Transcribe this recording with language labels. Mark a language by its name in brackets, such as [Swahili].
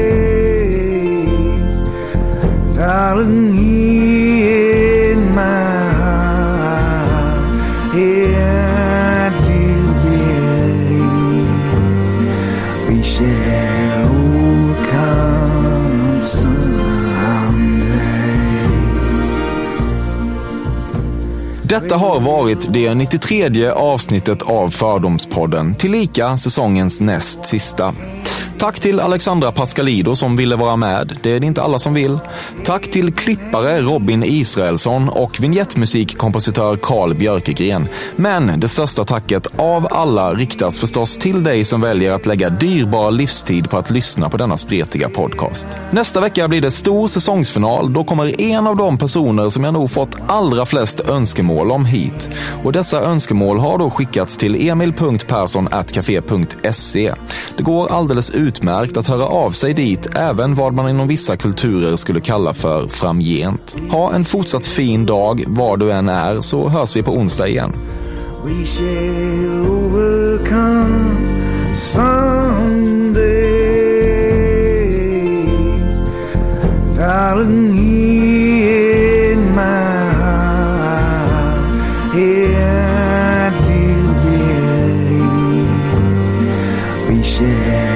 [English] Someday, darling, here in my heart, yeah, I do believe we shall overcome someday. [Swedish] Detta har varit det 93:e avsnittet av Fördomspodden, tillika säsongens näst sista. Tack till Alexandra Pascalido som ville vara med. Det är det inte alla som vill. Tack till klippare Robin Israelsson och vignettmusikkompositör Carl Björkegren. Men det största tacket av alla riktas förstås till dig som väljer att lägga dyrbar livstid på att lyssna på denna spretiga podcast. Nästa vecka blir det stor säsongsfinal. Då kommer en av de personer som jag nog fått allra flest önskemål om hit. Och dessa önskemål har då skickats till emil.persson@cafe.se. Det går alldeles utmärkt att höra av sig dit, även vad man inom vissa kulturer skulle kalla för framgent. Ha en fortsatt fin dag, var du än är, så hörs vi på onsdag igen. [English] We shall overcome someday. Darling, here in my heart, yeah, I do believe we shall.